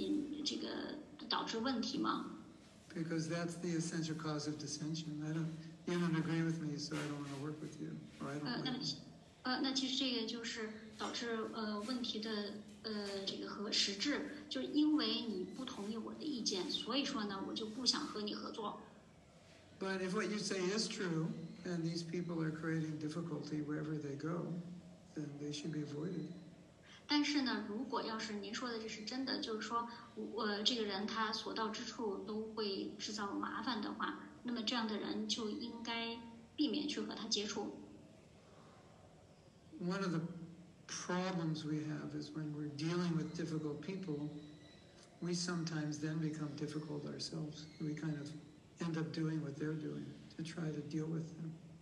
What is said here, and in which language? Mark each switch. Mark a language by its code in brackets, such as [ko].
[zh] 那其实我其实并不是特别的这个确认你在这里面说的是什么，你在说的就是因为他们不同意您的意见，所以说呢，他们就在引这个导致问题吗？ [en] Because that's the essential cause of dissension. You don't agree with me, so I don't want to work with you. Or I don't. But if what you say is true, and these people are creating difficulty wherever they go, then they should be avoided. [zh] 但是呢，如果要是您说的这是真的，就是说，我这个人他所到之处都会制造麻烦的话，那么这样的人就应该避免去和他接触。 [en] One of the problems we have is when we're dealing with difficult people, we sometimes then become difficult ourselves. We kind of end up doing what they're doing to try to deal with them.